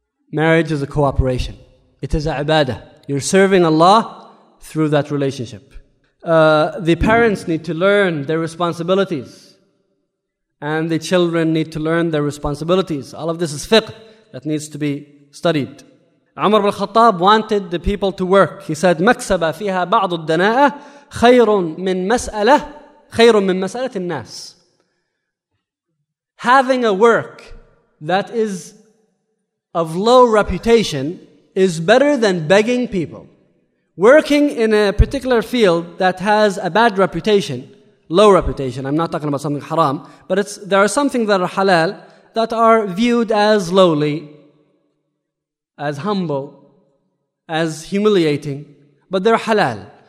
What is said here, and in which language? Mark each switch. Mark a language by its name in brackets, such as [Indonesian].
[English] Marriage is a cooperation. It is a ibadah. You're serving Allah through that relationship. The parents need to learn their responsibilities. And the children need to learn their responsibilities. All of this is fiqh that needs to be studied. Umar ibn Khattab wanted the people to work. He said, [Arabic] مَكْسَبَ فِيهَا بَعْضُ الدَّنَاءَ خَيْرٌ مِّن مَسْأَلَةِ النَّاسِ. [English] Having a work that is of low reputation is better than begging people. Working in a particular field that has a bad reputation, low reputation, I'm not talking about something haram, but there are some things that are halal that are viewed as lowly, as humble, as humiliating, but they're halal.